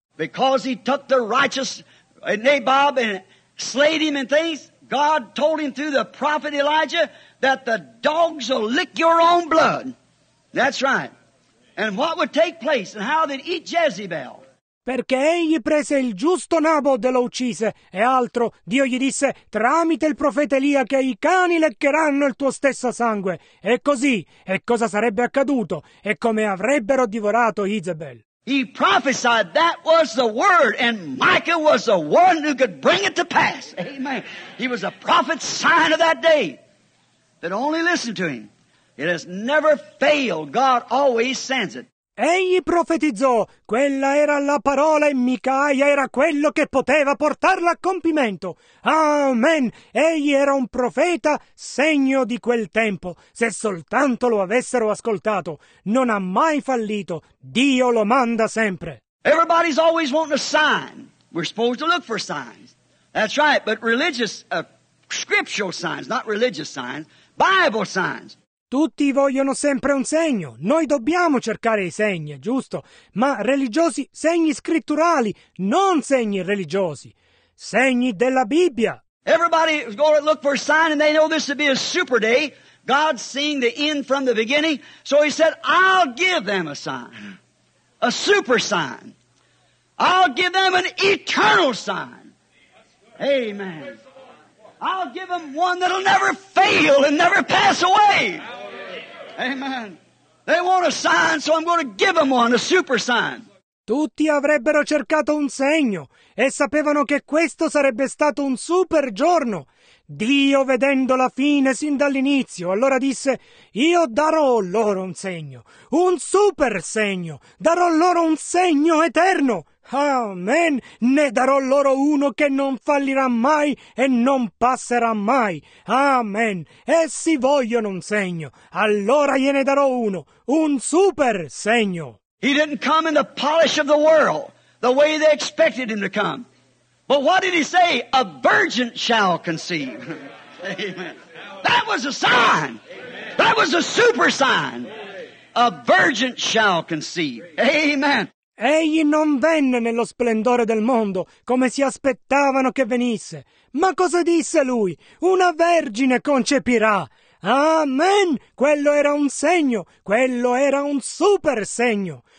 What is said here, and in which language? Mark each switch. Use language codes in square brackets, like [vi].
[en] Because he took the righteous Nabob and slayed him and things, God told him through the prophet Elijah that the dogs will lick your own blood. That's right. And what would take place and how they'd eat Jezebel. [it] Perché egli prese il giusto Nabod e lo uccise, e altro, Dio gli disse, tramite il profeta Elia, che i cani leccheranno il tuo stesso sangue. E così, e cosa sarebbe accaduto, e come avrebbero divorato Jezebel. [en] He prophesied that was the word, and Micah was the one who could bring it to pass. Amen. He was a prophet's sign of that day. But only listen to him. It has never failed. God always sends it. [it] Egli profetizzò. Quella era la parola, e Micaia era quello che poteva portarla a compimento. Amen. Egli era un profeta segno di quel tempo. Se soltanto lo avessero ascoltato. Non ha mai fallito. Dio lo manda sempre. [en] Everybody's always wanting a sign. We're supposed to look for signs. That's right. But religious, scriptural signs, not religious signs. Bible signs. [it] Tutti vogliono sempre un segno. Noi dobbiamo cercare i segni, giusto? Ma religiosi, segni scritturali, non segni religiosi. Segni della Bibbia. [en] Everybody is going to look for a sign, and they know this to be a super day. God's seeing the end from the beginning. So he said, I'll give them a sign. A super sign. I'll give them an eternal sign. Amen. I'll give them one that'll never fail and never pass away. Amen. They want a sign, so I'm going to give them one, a super sign. [it] Tutti avrebbero cercato un segno e sapevano che questo sarebbe stato un super giorno. Dio, vedendo la fine sin dall'inizio, allora disse, io darò loro un segno, un super segno. Darò loro un segno eterno. Amen. Ne darò loro uno che non fallirà mai e non passerà mai. Amen. Essi vogliono un segno. Allora gliene darò uno. Un super segno. [en] He didn't come in the polish of the world, the way they expected him to come. But what did he say? A virgin shall conceive. Amen. That was a sign. That was a super sign. A virgin shall conceive. Amen. [it] Egli non venne nello splendore del mondo, come si aspettavano che venisse. Ma cosa disse lui? Una vergine concepirà. Amen! Quello era un segno, quello era un super segno.